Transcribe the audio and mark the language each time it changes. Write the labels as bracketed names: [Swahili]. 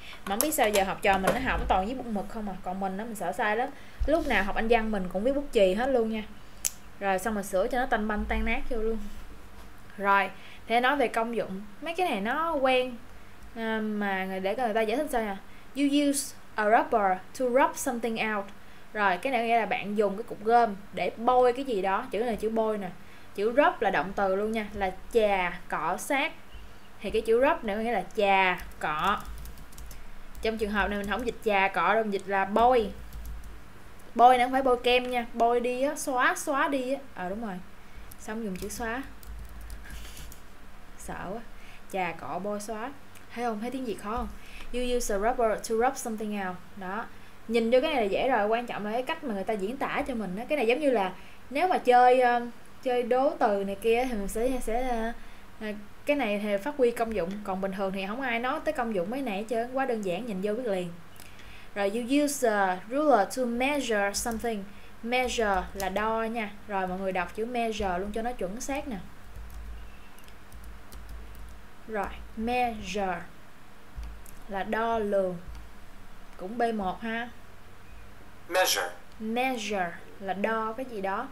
[Vietnamese] Mà không biết sao giờ học trò mình nó học toàn với bút mực không à. Còn mình nó mình sợ sai lắm. Lúc nào học Anh văn mình cũng viết bút chì hết luôn nha. Rồi xong mình sửa cho nó tanh banh tan nát vô luôn. Rồi, thế nói về công dụng. Mấy cái này nó quen mà để người ta giải thích sao nha. [English] You use a rubber to rub something out. [Vietnamese] Rồi, cái này nghĩa là bạn dùng cái cục gom để bôi cái gì đó. Chữ này chữ bôi nè. Chữ rub là động từ luôn nha, là chà, cọ, sát. Thì cái chữ rub này có nghĩa là chà, cọ. Trong trường hợp này mình không dịch chà, cọ đâu, mình dịch là bôi. Bôi này không phải bôi kem nha, bôi đi á, xóa, xóa đi á. Ờ đúng rồi, xong dùng chữ xóa. Sợ quá, chà, cọ, bôi, xóa. Thấy không, thấy tiếng Việt khó không? [English] You use a rubber to rub something out. [Vietnamese] Đó, nhìn vô cái này là dễ rồi. Quan trọng là cái cách mà người ta diễn tả cho mình á. Cái này giống như là nếu mà chơi chơi đố từ này kia thì mình sẽ cái này thì phát huy công dụng, còn bình thường thì không ai nói tới công dụng mấy này hết trơn, quá đơn giản, nhìn vô biết liền. [English] Rồi you use a ruler to measure something. [Vietnamese] Measure là đo nha. Rồi mọi người đọc chữ measure luôn cho nó chuẩn xác nè. Rồi, measure là đo lường. Cũng B1 ha. [English] Measure. [Vietnamese] Measure là đo cái gì đó.